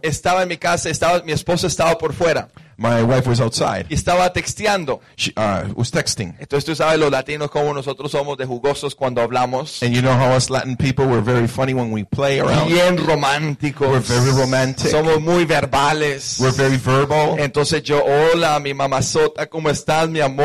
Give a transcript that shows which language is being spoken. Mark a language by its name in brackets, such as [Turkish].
[Spanish] Estaba en mi casa, mi esposa estaba por fuera. [English] My wife was outside. [Spanish] Y estaba texteando. [English] Was texting. [Spanish] Entonces tú sabes los latinos como nosotros somos de jugosos cuando hablamos. [English] And you know how us Latin people we're very funny when we play around. [Spanish] Bien románticos. [English] We're very romantic. [Spanish] Somos muy verbales. [English] We're very verbal. [Spanish] Entonces yo, hola, mi mamazota, ¿cómo estás, mi amor?